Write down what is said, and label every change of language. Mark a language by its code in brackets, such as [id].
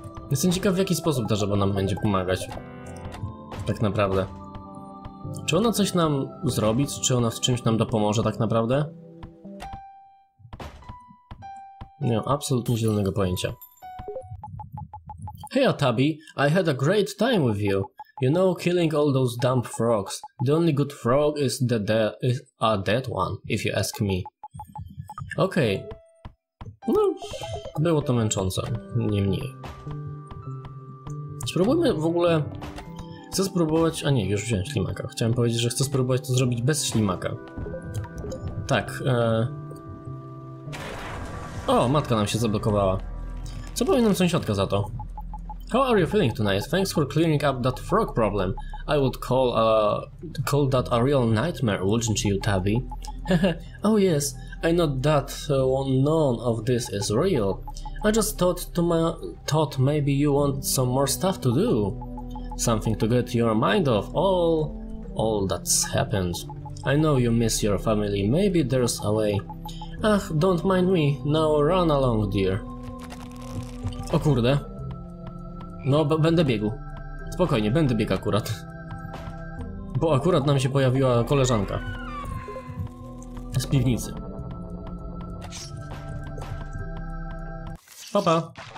[pl] Jestem ciekaw, w jaki sposób ta żaba nam będzie pomagać. Tak naprawdę. Czy ona coś nam zrobi? Czy ona w czymś nam dopomoże tak naprawdę? Nie mam absolutnie zielonego pojęcia. [en] Hey, Tabby, I had a great time with you. You know, killing all those dumb frogs. The only good frog is a dead one, if you ask me. Okay. [pl] No, było to męczące, nie mniej. Spróbujmy w ogóle... Chcę spróbować... A nie, już wziąłem ślimaka. Chciałem powiedzieć, że chcę spróbować to zrobić bez ślimaka. Tak, O, matka nam się zablokowała. Co powinnam sąsiadka za to? [en] How are you feeling tonight? Thanks for clearing up that frog problem. I would call that a real nightmare, wouldn't you, Tabby? Oh yes, I know that none of this is real. I just thought maybe you want some more stuff to do. Something to get your mind off all that's happened. I know you miss your family, maybe there's a way. Ach, don't mind me, now run along, dear. [pl] O kurde. No, będę biegł. Spokojnie, będę biegł akurat. Bo akurat nam się pojawiła koleżanka. Z piwnicy. Pa, pa.